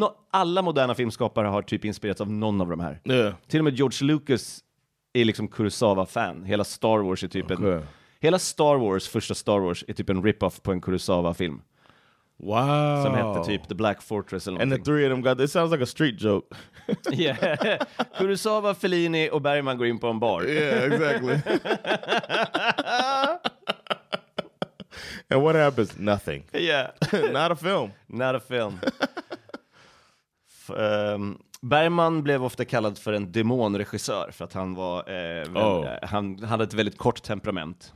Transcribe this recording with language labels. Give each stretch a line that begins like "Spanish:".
Swedish: Alla moderna filmskapare har typ inspirerats av någon av de här. Till och med George Lucas är liksom Kurosawa-fan. Hela Star Wars är typ hela Star Wars, första Star Wars, är typ en rip-off på en Kurosawa-film.
English: Wow.
Swedish: Som hette typ The Black Fortress eller någonting.
English: And the three of them got, it sounds like a street joke. Yeah.
Swedish: Kurosawa, Fellini och Bergman går in på en bar.
English: Yeah, exactly. And what happens? Nothing. Yeah. Not a film. Not a film.
Swedish: Bergman blev ofta kallad för en demonregissör för att han var han hade ett väldigt kort temperament.